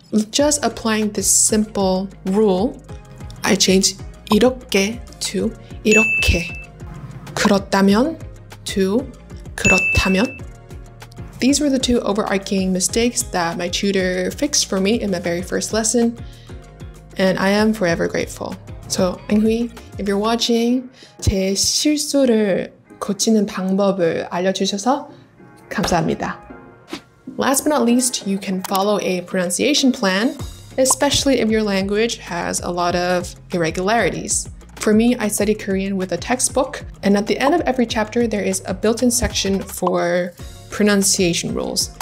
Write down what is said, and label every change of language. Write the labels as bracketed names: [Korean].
[English] Just applying this simple rule, I change 이렇게 to 이렇게, 그렇다면 to 그렇다면. These were the two overarching mistakes that my tutor fixed for me in my very first lesson, and I am forever grateful. So, Anghui, if you're watching, [Korean] 제 실수를 고치는 방법을 알려주셔서 감사합니다. [English] Last but not least, you can follow a pronunciation plan, especially if your language has a lot of irregularities. For me, I study Korean with a textbook, and at the end of every chapter, there is a built-in section for pronunciation rules.